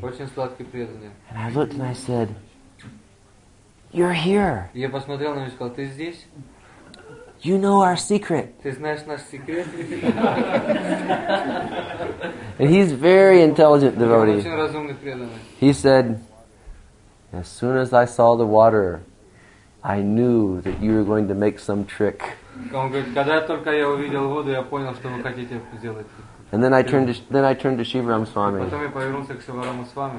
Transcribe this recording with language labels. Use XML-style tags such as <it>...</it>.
<en>And I looked and I said, you're here.</en> <ru>Я посмотрел на него и сказал, ты здесь?</ru> <en>You know our secret.</en> <ru>Ты знаешь наш секрет?</ru> <en>And he's very intelligent devotee.</en> <ru>Очень разумный преданный.</ru> <en>He said, as soon as I saw the water, I knew that you were going to make some trick.</en> <ru>Он говорит, когда только я увидел воду, я понял, что вы хотите сделать.</ru> <en>And then I turned to Shivaram Swami.</en> <ru>Потом я повернулся к Шиварам Свами.</ru>